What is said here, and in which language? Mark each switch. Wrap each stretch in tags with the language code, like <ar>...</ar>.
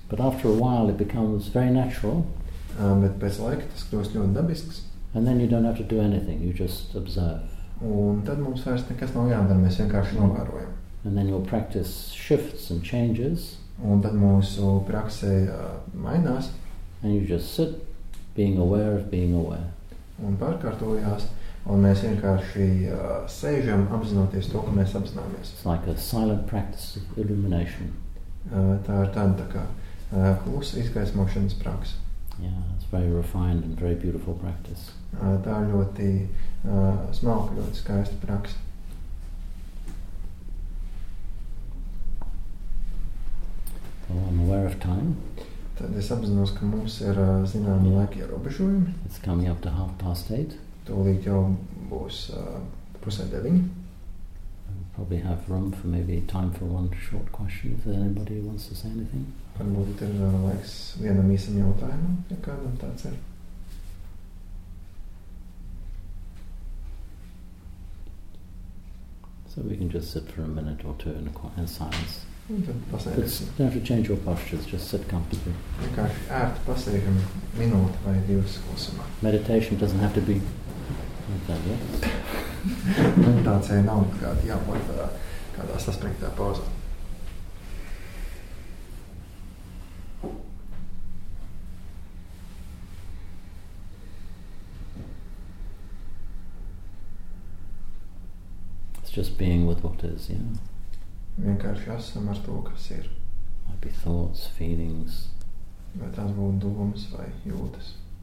<en>But after a while it becomes very natural.</en> <lv>Bet pēc laika tas kļūst ļoti dabisks.</lv> <en>And then you don't have to do anything, you just observe.</en> <lv>Un tad mums vairs nekas nav jādara, mēs vienkārši novērojam.</lv> <en>And then you'll practice shifts and changes.</en> <lv>Un tad mūsu praksē mainās.</lv> <en>And you just sit, being aware of being aware.</en> <lv>Un pārkārtojās. Un mēs vienkārši sēžam, apzinoties to, ko mēs apzināmies.</lv> <en>It's like a silent practice of illumination.</en> <lv>Tā ir tāda tā kā klusa izgaismošanas praksa.</lv> <en>Yeah, it's very refined and very beautiful practice.</en> <lv>Tā ir ļoti smalka, ļoti skaista praksa.</lv> <en>Well, I'm aware of time.</en> <lv>Tad es apzinos, ka mums ir zināmi laika ierobežojumi.</lv> <en>It's coming up to 8:30.</en> <lv>Tūlīt jau būs pusē 9.</lv> <en>We probably have room for maybe time for one short question if anybody wants to say anything.</en> <lv>Varbūt ir laiks vienam īsam jautājumam, ja kādam tāds ir.</lv> <en>So we can just sit for a minute or two in a quiet silence.</en> <lv>Pasēdēsim.</lv> <en>Don't have to change your postures, just sit comfortably.</en> <lv>Vienkārši ērti pasēdēsim minūti vai divas klusumā.</lv> <en>Meditation doesn't have to be</en> <lv>meditācija nav kāda jābūt kādā saspringtā pauzā.</lv> <en>It's just being with what is, yeah.</en> <lv>Vienkārši esam ar to, kas ir.</lv> <en>Might be thoughts, feelings.</en> <lv>Vai tās būtu domas vai jūtas.</lv>